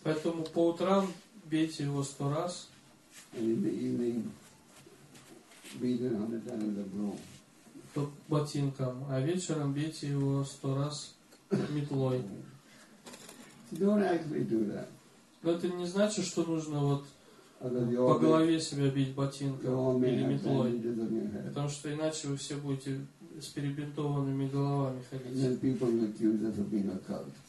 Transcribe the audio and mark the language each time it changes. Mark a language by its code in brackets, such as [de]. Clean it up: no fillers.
[ru] Поэтому по утрам бейте его 100 раз. [en] And in the evening beat it 100 times with a broom. [ru] По ботинкам, а вечером бейте его 100 раз. Метлой. [en] So don't actually do that. [ru] Но это не значит, что нужно вот по голове себя бить ботинком или метлой. Потому что иначе вы все будете с перебинтованными головами ходить.